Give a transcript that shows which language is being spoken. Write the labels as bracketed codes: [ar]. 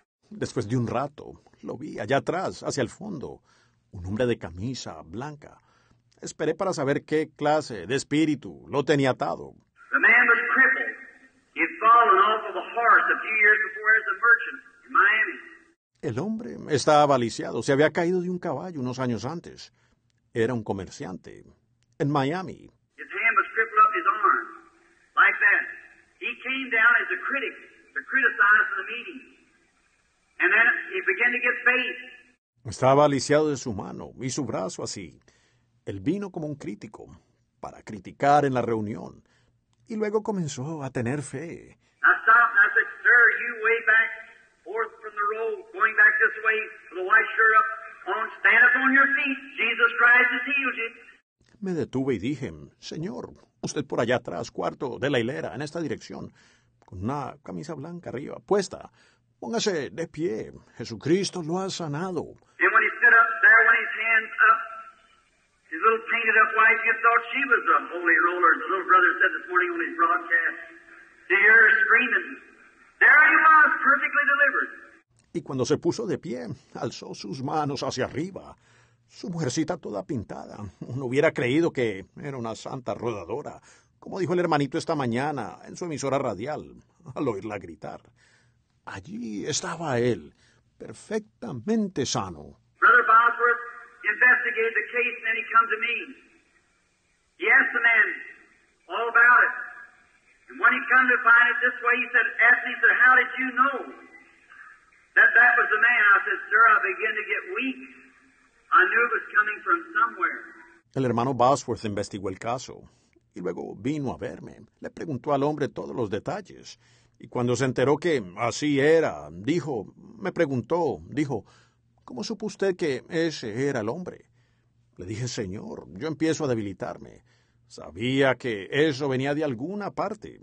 [es] Después de un rato, lo vi allá atrás, hacia el fondo, un hombre de camisa blanca. Esperé para saber qué clase de espíritu lo tenía atado. [en] The man was crippled. He'd fallen off of a horse a few years before as a merchant in Miami. [es] El hombre estaba lisiado. Se había caído de un caballo unos años antes. Era un comerciante en Miami. [en] His hand was crippled up his arm. Like that. He came down as a critic to criticize the meeting. And then he began to get faith. [es] Estaba lisiado de su mano y su brazo así. Él vino como un crítico para criticar en la reunión y luego comenzó a tener fe. [en] I stopped and I said, sir, you way back, forth from the road, going back this way, with a white shirt up on, stand up on your feet, Jesus Christ has healed you. [es] Me detuve y dije, señor, usted por allá atrás, cuarto de la hilera, en esta dirección, con una camisa blanca arriba, puesta, póngase de pie, Jesucristo lo ha sanado. [en] And when he stood up there, when his hands up, his little painted-up wife, you thought she was a holy roller. The little brother said this morning on his broadcast, to hear her screaming, there he was, perfectly delivered. [es] Y cuando se puso de pie, alzó sus manos hacia arriba. Su mujercita toda pintada. Uno hubiera creído que era una santa rodadora, como dijo el hermanito esta mañana en su emisora radial, al oírla gritar. Allí estaba él, perfectamente sano. [en] Brother Bosworth investigated the case and then he comes to me. Yes, amen. All about it. And when he come to find it this way, he said, asked me, he said, how did you know that that was the man? I said, sir, I began to get weak. I knew it was coming from somewhere. [es] El hermano Bosworth investigó el caso y luego vino a verme. Le preguntó al hombre todos los detalles. Y cuando se enteró que así era, me preguntó, ¿cómo supo usted que ese era el hombre? Le dije, Señor, yo empiezo a debilitarme. Sabía que eso venía de alguna parte.